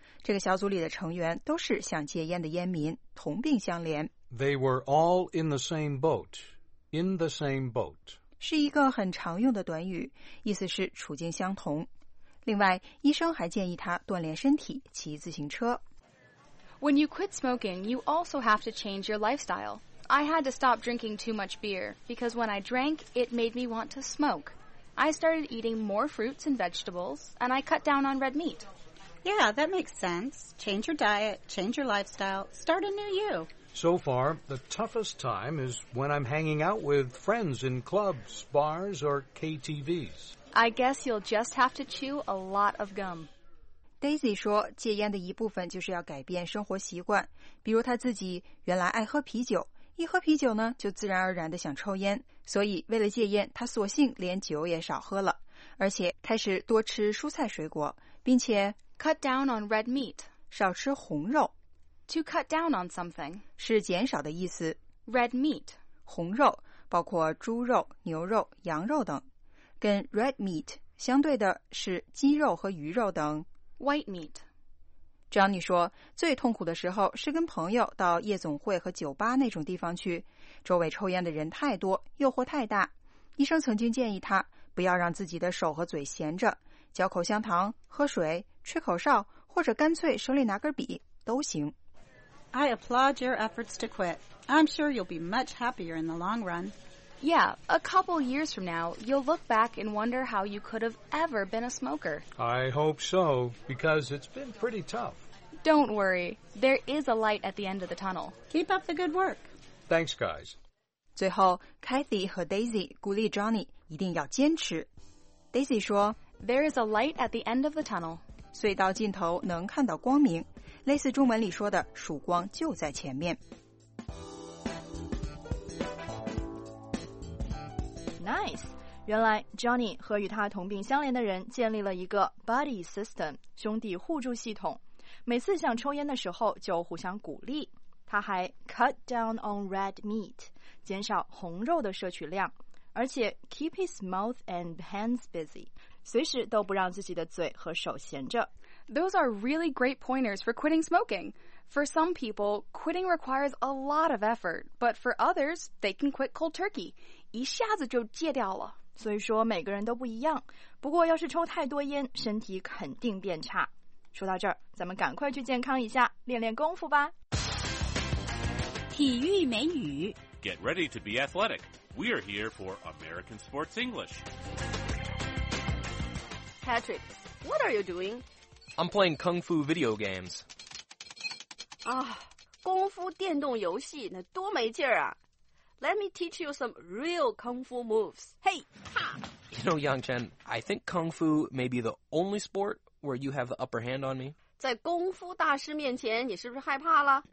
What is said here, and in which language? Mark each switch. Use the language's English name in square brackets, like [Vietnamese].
[Chinese] 这个小组里的成员都是想戒烟的烟民，同病相怜。 [English] They were all in the same boat. In the same boat. [Chinese] 是一个很常用的短语，意思是处境相同。另外，医生还建议他锻炼身体，骑自行车。 [English] When you quit smoking, you also have to change your lifestyle. I had to stop drinking too much beer, because when I drank, it made me want to smoke. I started eating more fruits and vegetables, and I cut down on red meat. Yeah, that makes sense. Change your diet, change your lifestyle, start a new you. So far, the toughest time is when I'm hanging out with friends in clubs, bars, or KTVs. I guess you'll just have to chew a lot of gum. [Chinese] Daisy 说，戒烟的一部分就是要改变生活习惯，比如她自己原来爱喝啤酒，一喝啤酒呢，就自然而然地想抽烟，所以为了戒烟，她索性连酒也少喝了，而且开始多吃蔬菜水果，并且 [English] cut down on red meat， [Chinese] 少吃红肉。 [English] To cut down on something [Chinese] 是减少的意思。 [English] Red meat [Chinese] 红肉包括猪肉、牛肉、羊肉等。跟 red meat 相对的是鸡肉和鱼肉等。 [English] White meat [Chinese] Johnny 说，最痛苦的时候是跟朋友到夜总会和酒吧那种地方去，周围抽烟的人太多，诱惑太大。医生曾经建议他不要让自己的手和嘴闲着，嚼口香糖、喝水、吹口哨，或者干脆手里拿根笔都行。 [English] I applaud your efforts to quit. I'm sure you'll be much happier in the long run. Yeah, a couple years from now, you'll look back and wonder how you could have ever been a smoker. I hope so, because it's been pretty tough. Don't worry. There is a light at the end of the tunnel. Keep up the good work. Thanks, guys. [Chinese] 最后 ,Kathy 和 Daisy 鼓励 Johnny 一定要坚持。Daisy 说 [English] ,There is a light at the end of the tunnel. [Chinese] 隧道尽头能看到光明。类似中文里说的曙光就在前面。 Nice! 原来 Johnny 和与他同病相怜的人建立了一个 buddy system, 兄弟互助系统。每次想抽烟的时候就互相鼓励。他还 [English] cut down on red meat, [Chinese] 减少红肉的摄取量。而且 [English] keep his mouth and hands busy, [Chinese] 随时都不让自己的嘴和手闲着。 [English] Those are really great pointers for quitting smoking. For some people, quitting requires a lot of effort, but for others, they can quit cold turkey. [Chinese] 一下子就戒掉了。所以说每个人都不一样。不过要是抽太多烟，身体肯定变差。说到这儿，咱们赶快去健康一下，练练功夫吧。体育美语。 [English] Get ready to be athletic. We are here for American Sports English. Patrick, what are you doing? I'm playing Kung Fu video games. [Chinese] Ah, 功夫电动游戏那多没劲儿啊。 [English] Let me teach you some real Kung Fu moves. Hey, ha! You know, Yang Chen, I think Kung Fu may be the only sport where you have the upper hand on me. [Chinese] 在功夫大师面前你是不是害怕了?